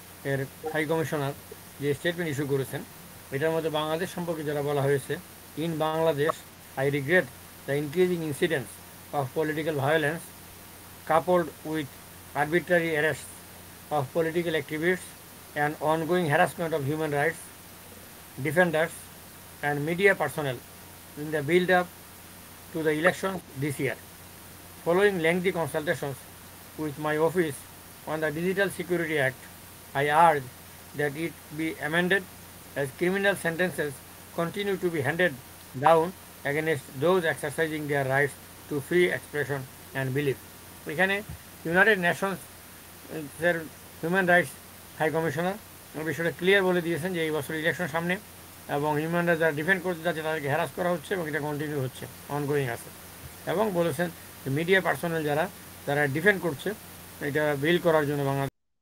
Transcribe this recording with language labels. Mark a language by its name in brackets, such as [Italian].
[Bangla] এর high commissioner যে statement issue করেছেন, এটার মধ্যে বাংলাদেশ সম্পর্কে যারা বলা হয়েছে, [English] In Bangladesh I regret the increasing incidence of political violence coupled with arbitrary arrest of political activist and ongoing harassment of human rights defenders and media personnel in the build-up to the election this year. Following lengthy consultations with my office on the Digital Security Act, I urge that it be amended as criminal sentences continue to be handed down against those exercising their rights to free expression and belief. [Bangla] এখানে United Nations এর human rights high commissioner বিষয়টা clear বলে দিয়েছেন যে এই বছর election সামনে এবং হিউম্যান রাইটস যারা ডিফেন্ড করতে যাচ্ছে তাদেরকে হ্যারাস করা হচ্ছে এবং এটা কন্টিনিউ হচ্ছে অনগোয়িং আছে এবং বলেছেন যে মিডিয়া পার্সোনাল যারা তারা ডিফেন্ড করছে এটা বিল করার জন্য বাংলাদেশ